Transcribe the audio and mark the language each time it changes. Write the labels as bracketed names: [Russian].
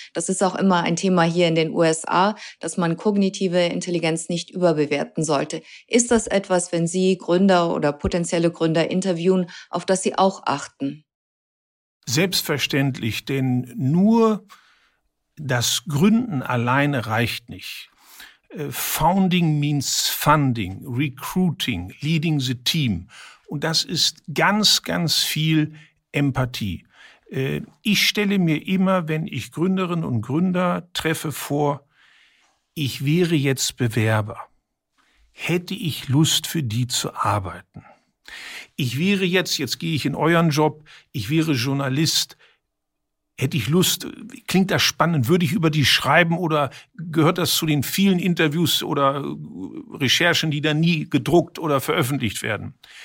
[German] Das ist auch immer ein Thema hier in den USA, dass man kognitive Intelligenz nicht überbewerten sollte. Ist das etwas, wenn Sie Gründer oder potenzielle Gründer interviewen, auf das Sie auch achten? Selbstverständlich, denn nur das Gründen alleine reicht nicht. [English] Founding means funding, recruiting, leading the team. [German] Und das ist ganz, ganz viel Empathie. Ich stelle mir immer, wenn ich Gründerinnen und Gründer treffe, vor, ich wäre jetzt Bewerber. Hätte ich Lust für die zu arbeiten? Ich wäre jetzt gehe ich in euren Job, ich wäre Journalist, hätte ich Lust, klingt das spannend, würde ich über die schreiben oder gehört das zu den vielen Interviews oder Recherchen, die da nie gedruckt oder veröffentlicht werden?